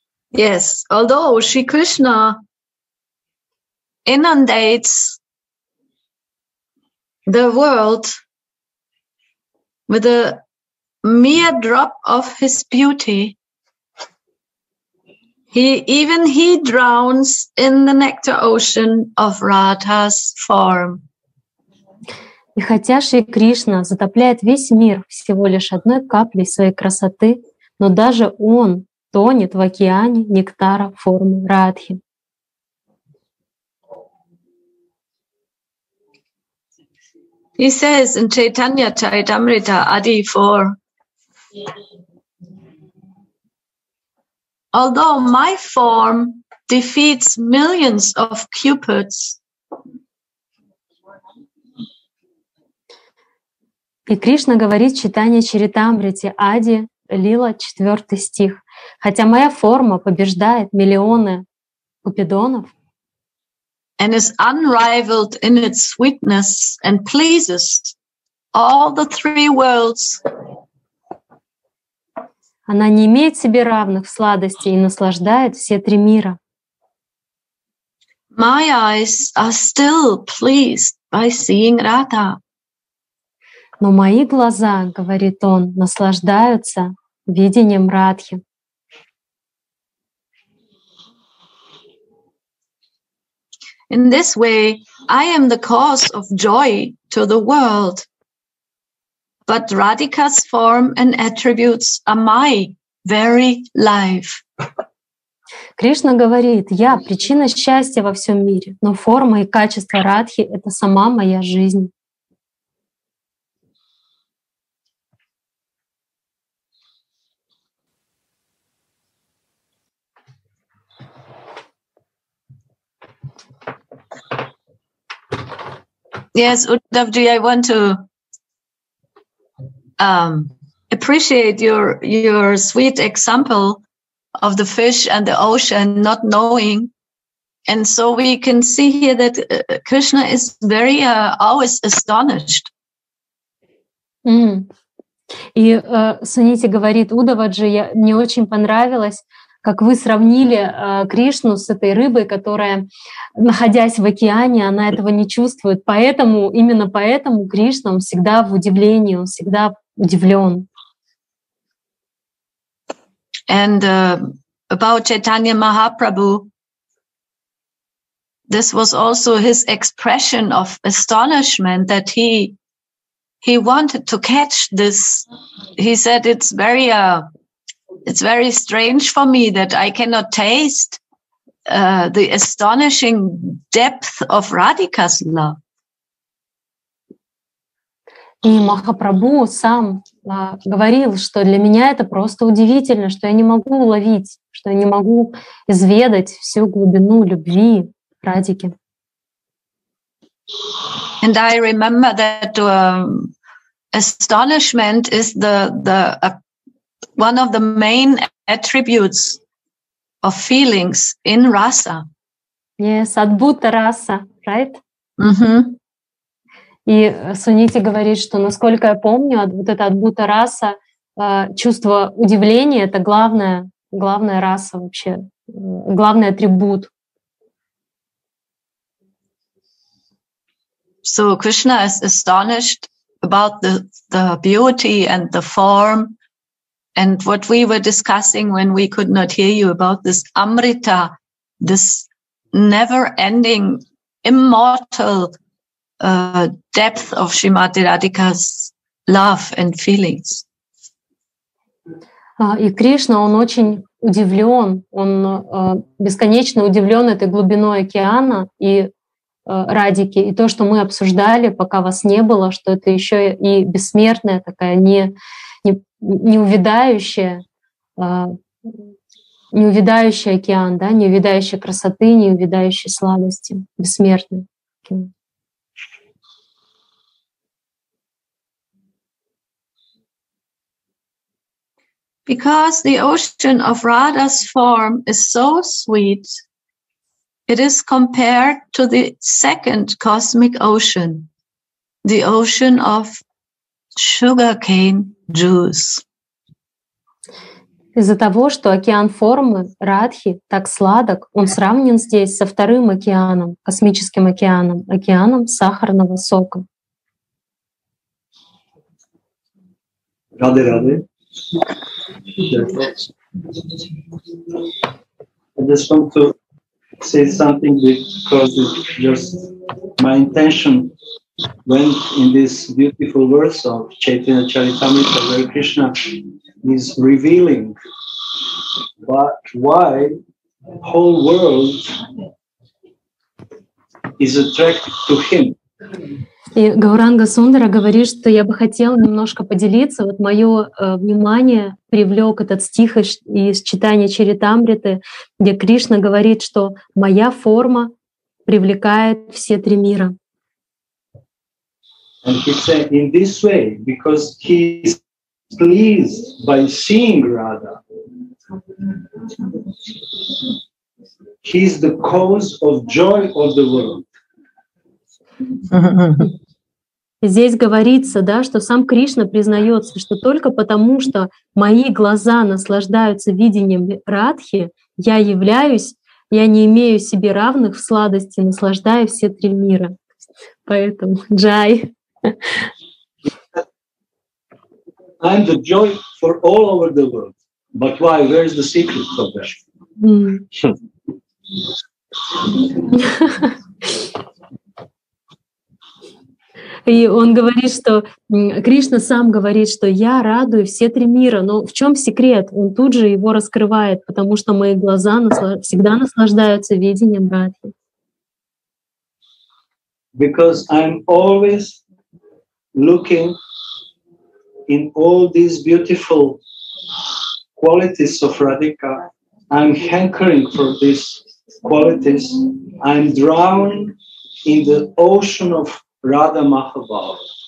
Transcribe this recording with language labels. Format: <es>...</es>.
<en>Yes, although Sri Krishna inundates the world with a mere drop of his beauty, He drowns in the nectar ocean of Radha's form.</en> <ru>И хотя Шри Кришна затопляет весь мир всего лишь одной каплей своей красоты, но даже он тонет в океане нектара формы Радхи.</ru> <en>He says in Chaitanya Charitamrita Adi 4, although my form defeats millions of cupids.</en> <ru>И Кришна говорит в Читании Чаритамрите Ади Лила 4 стих. Хотя моя форма побеждает миллионы купидонов.</ru> <en>And is unrivaled in its sweetness and pleases all the three worlds.</en> <ru>Она не имеет себе равных в сладости и наслаждает все три мира.</ru> <en>My eyes are still pleased by seeing Radha.</en> <ru>Но мои глаза, говорит он, наслаждаются видением Радхи.</ru> <en>In this way, I am the cause of joy to the world. But Radhika's form and attributes are my very life.</en> <ru>Кришна говорит, я причина счастья во всем мире, но форма и качество Радхи — это сама моя жизнь.</ru> <en>Yes, Uddhavji, I want to appreciate your sweet example of the fish and the ocean not knowing. And so we can see here that Krishna is very always astonished. Mm.</en> <ru>И Суните говорит, Уддхавджи, мне очень понравилось, как вы сравнили Кришну с этой рыбой, которая, находясь в океане, она этого не чувствует. Поэтому, именно поэтому Кришна всегда в удивлении, он всегда удивлен.</ru> <en>And about Chaitanya Mahaprabhu, this was also his expression of astonishment that he wanted to catch this. He said, it's very strange for me that I cannot taste the astonishing depth of Radhika's love.</en> <ru>И Махапрабху сам говорил, что для меня это просто удивительно, что я не могу уловить, что я не могу изведать всю глубину любви Радхики.</ru> <en>And I remember that astonishment is one of the main attributes of feelings in rasa. Yes, adbhuta rasa, right? Mm-hmm.</en> <ru>И Суните говорит, что, насколько я помню, вот это adbhuta rasa, чувство удивления, это главная раса вообще, главный атрибут.</ru> <en>So Krishna is astonished about the beauty and the form. And what we were discussing when we could not hear you about this Amrita, this never-ending, immortal depth of Srimati Radhika's love and feelings.</en> <ru>И Кришна, он очень удивлен, он бесконечно удивлен этой глубиной океана и Радики, и то, что мы обсуждали, пока вас не было, что это еще и бессмертная такая неувядающий океан, да, неувядающий красоты, неувядающий сладости, бессмертный океан.</ru> <en>Because the ocean of Radha's form is so sweet, it is compared to the second cosmic ocean, the ocean of sugarcane juice.</en> <ru>Из-за того, что океан формы Радхи так сладок, он сравнен здесь со вторым океаном, космическим океаном, океаном сахарного сока. Рады.</ru> <en>I just want to say something because just my intention when in this beautiful verse of Chaitanya Charitamrita, where Krishna is revealing but why whole world is attracted to him.</en> <ru>И Гауранга Сундара говорит, что я бы хотел немножко поделиться. Вот мое внимание привлек этот стих из читания Чаритамриты, где Кришна говорит, что моя форма привлекает все три мира.</ru> <en>And he said in this way, because he is pleased by seeing Radha. He is the cause of joy of the world.</en> <ru>Здесь говорится, да, что сам Кришна признается, что только потому, что мои глаза наслаждаются видением Радхи, я являюсь, я не имею себе равных в сладости, наслаждая все три мира. Поэтому джай.</ru> <en>I'm the joy for all over the world. But why? Where is the secret of that?</en> <ru>И он говорит, что Кришна сам говорит, что я радую все три мира. Но в чем секрет? Он тут же его раскрывает, потому что мои глаза всегда наслаждаются видением Радхи.</ru> <en>Because I'm always looking in all these beautiful qualities of Radhika. I'm hankering for these qualities. I'm drowning in the ocean of Radha Mahabharata.</en>